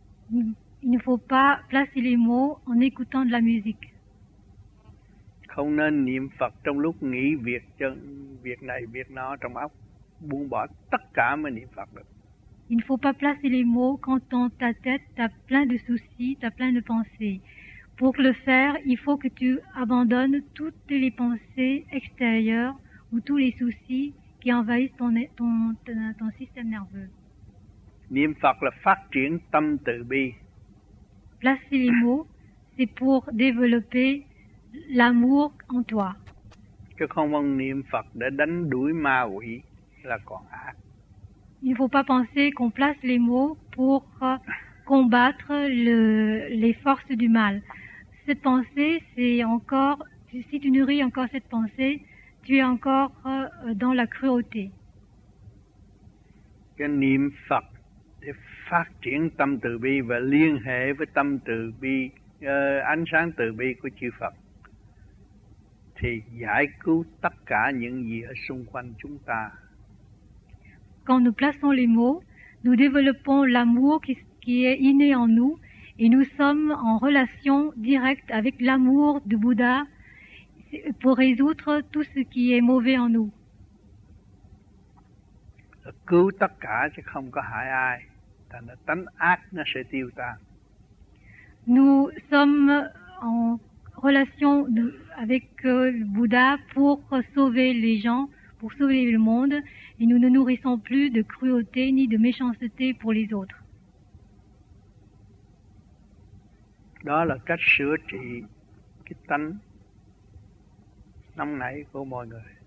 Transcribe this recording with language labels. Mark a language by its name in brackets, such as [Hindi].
[French] Il ne faut pas placer les mots en écoutant de la musique. [Vietnamese] Không nên niệm Phật trong lúc nghĩ việc việc này việc nọ trong óc, buông bỏ tất cả mới niệm Phật được. [French] Il ne faut pas placer les mots quand dans ta tête t'as plein de soucis, t'as plein de pensées. Pour le faire, il faut que tu abandonnes toutes les pensées extérieures ou tous les soucis qui envahissent ton système nerveux. [Vietnamese] Niệm Phật là phát triển tâm từ bi. [French] Placer les mots, c'est pour développer l'amour en toi. [Vietnamese] Chứ không vâng niệm Phật để đánh đuổi ma quỷ là còn ác. [French] Il ne faut pas penser qu'on place les mots pour combattre les forces du mal. Cette pensée, c'est encore, si tu nourris encore cette pensée, tu es encore dans la cruauté. [Vietnamese] Cái niệm Phật để phát triển tâm từ bi và liên hệ với tâm từ bi, ánh sáng từ bi của chư Phật. Thì giải cứu tất cả những gì ở xung quanh chúng ta. [French] Quand nous plaçons les mots, nous développons l'amour qui est inné en nous et nous sommes en relation directe avec l'amour du Bouddha pour résoudre tout ce qui est mauvais en nous. [Vietnamese] Cứu tất cả chứ không có hại ai. Thành tánh ác nó sẽ tiêu tan. [French] Nous sommes en relation avec le Bouddha pour sauver les gens, pour sauver le monde, et nous ne nourrissons plus de cruauté ni de méchanceté pour les autres. [Vietnamese] Đó là cách sửa trị cái tánh nóng nảy của mọi người.